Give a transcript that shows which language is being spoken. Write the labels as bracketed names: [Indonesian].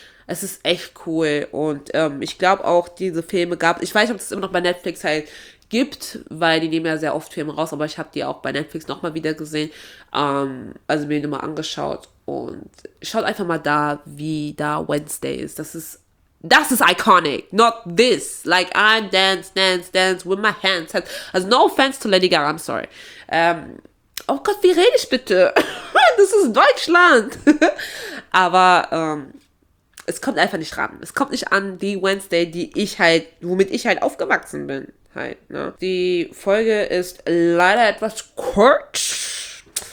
[German] Es ist echt cool und ich glaube auch, diese Filme gab, ich weiß nicht, ob es immer noch bei Netflix halt gibt, weil die nehmen ja sehr oft Filme raus, aber ich habe die auch bei Netflix nochmal wieder gesehen, also mir nochmal angeschaut und schaut einfach mal da, wie da Wednesday ist. Das ist [English] iconic, not this, like I dance with my hands, also no offense to Lady Gaga, I'm sorry. [German] Oh Gott, wie rede ich bitte? Das ist Deutschland! Aber es kommt einfach nicht ran. Es kommt nicht an die Wednesday, womit ich halt aufgewachsen bin. Halt, ne? Die Folge ist leider etwas kurz.